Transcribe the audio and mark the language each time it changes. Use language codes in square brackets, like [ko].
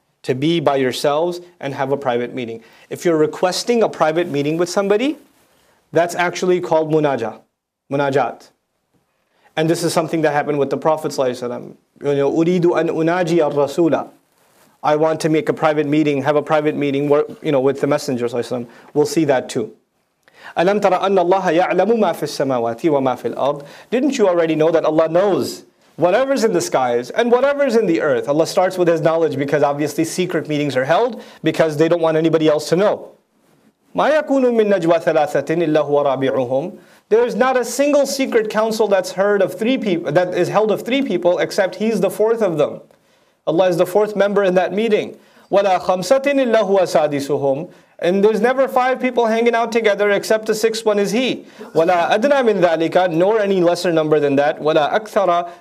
[en] To be by yourselves and have a private meeting. If you're requesting a private meeting with somebody, that's actually called munajat. And this is something that happened with the Prophet ﷺ. [ar] أريد أن أناجي الرسول. [en] I want to make a private meeting, have a private meeting with the Messenger ﷺ. We'll see that too. [ar] ألم ترى أن الله يعلم ما في السماوات وما في الأرض. [en] Didn't you already know that Allah knows whatever's in the skies and whatever's in the earth? Allah starts with His knowledge because obviously secret meetings are held because they don't want anybody else to know. [ar] ما يكون من نجوى ثلاثة إلا هو رابعهم. [en] There is not a single secret council that's heard of three people, that is held of three people, except He's the fourth of them. Allah is the fourth member in that meeting. [ar] وَلَا خَمْسَةٍ إِلَّا هُوَ سَادِسُهُمْ. [en] And there's never five people hanging out together except the sixth one is He. [ar] وَلَا أَدْنَى مِنْ ذَلِكَ. [en] Nor any lesser number than that. [ar] وَلَا أَكْثَرَ.